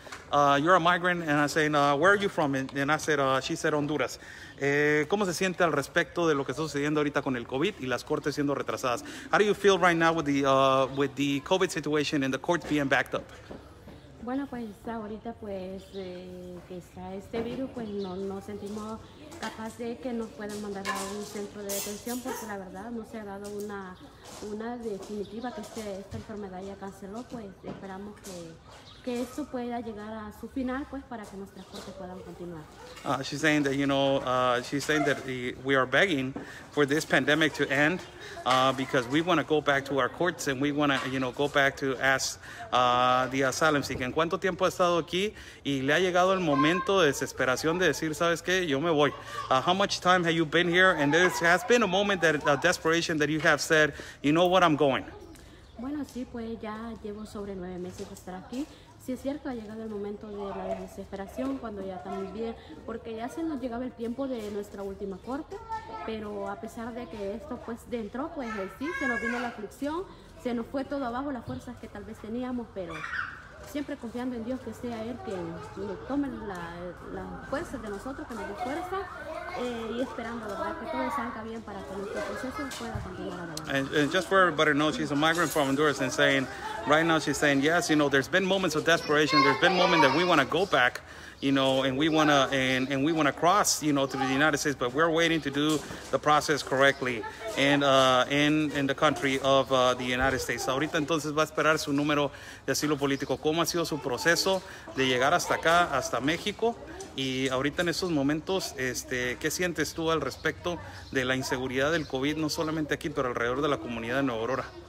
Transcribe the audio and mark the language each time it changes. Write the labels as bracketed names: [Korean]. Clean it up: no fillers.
[English] You're a migrant, and I said, where are you from? And I said, she said, Honduras. [Spanish] ¿Cómo se siente al respecto de lo que está sucediendo ahorita con el COVID y las cortes siendo retrasadas? [English] How do you feel right now with the COVID situation and the courts being backed up? [Spanish] Bueno, pues ahorita, pues, que está este virus, pues no sentimos capaz de que nos puedan mandar a un centro de detención, porque la verdad no se ha dado una definitiva que esta enfermedad ya canceló, pues esperamos que esto pueda llegar a su final, pues, para que nuestras cortes puedan continuar. [English] She's saying that, you know, we are begging for this pandemic to end, because we want to go back to our courts and we want to, you know, go back to ask the asylum seeker. [Spanish] ¿En cuánto tiempo ha estado aquí y le ha llegado el momento de desesperación de decir, sabes qué, yo me voy? [English] How much time have you been here? And there has been a moment that a desperation that you have said, you know what, I'm going. [Spanish] Bueno, sí, pues ya llevo sobre 9 meses de estar aquí. Sí, es cierto, ha llegado el momento de la desesperación cuando ya estamos bien, porque ya se nos llegaba el tiempo de nuestra última corte, pero a pesar de que esto pues entró, pues sí, se nos vino la aflicción, se nos fue todo abajo, las fuerzas que tal vez teníamos, pero siempre confiando en Dios, que sea Él quien nos tome las fuerzas de nosotros, que nos dé fuerza, y esperando, ¿verdad?, que todo salga bien para que nuestro proceso pueda continuar adelante. [English] And just for everybody to know, she's a migrant from Honduras and saying, right now she's saying, yes, you know, there's been moments of desperation. There's been moments that we want to go back, you know, and we want to cross, you know, to the United States, but we're waiting to do the process correctly and in the country of the United States. [Spanish] Ahorita entonces va a esperar su número de asilo político. ¿Cómo ha sido su proceso de llegar hasta acá, hasta México? Y ahorita en estos momentos, ¿qué sientes tú al respecto de la inseguridad del COVID, no solamente aquí, pero alrededor de la comunidad de Nueva Aurora?